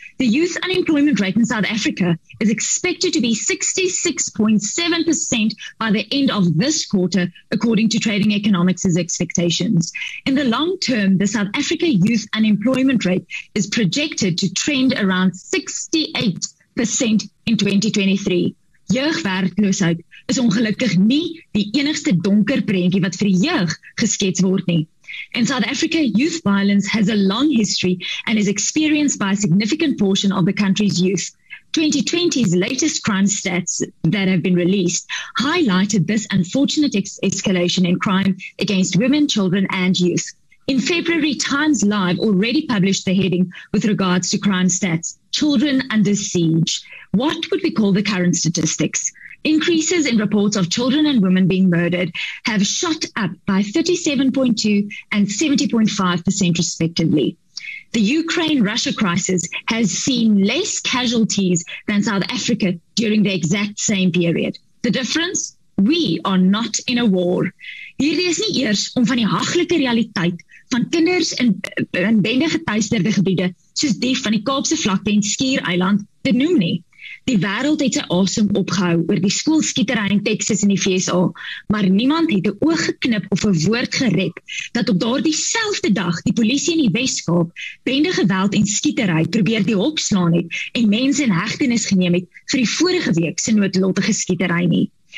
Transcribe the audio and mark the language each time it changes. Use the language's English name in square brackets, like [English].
[English] The youth unemployment rate in South Africa is expected to be 66.7% by the end of this quarter, according to Trading Economics' expectations. In the long term, the South Africa youth unemployment rate is projected to trend around 68% in 2023. [Afrikaans] Jeugwerkloosheid is ongelukkig nie die enigste donker prentjie wat vir die jeug geskets word nie. [English] In South Africa, youth violence has a long history and is experienced by a significant portion of the country's youth. 2020's latest crime stats that have been released highlighted this unfortunate escalation in crime against women, children, and youth. In February, Times Live already published the heading with regards to crime stats, Children Under Siege. What would we call the current statistics? Increases in reports of children and women being murdered have shot up by 37.2% and 70.5% respectively. The Ukraine-Russia crisis has seen less casualties than South Africa during the exact same period. The difference? We are not in a war. [Afrikaans] Hierdie is nie eers om van die haglike realiteit van kinders in bende geteisterde gebiede soos die van die Kaapse vlakte en Skiereiland te noem nie. Die wêreld het sy asem opgehou oor die skoolskietery in Texas en die VSA, maar niemand het 'n oog geknip of 'n woord gered dat op daardie selfde dag die polisie in die Wes-Kaap bende geweld en skietery probeer die hok slaan het en mense in hegtenis geneem het vir die vorige week se noodlottige skietery nie.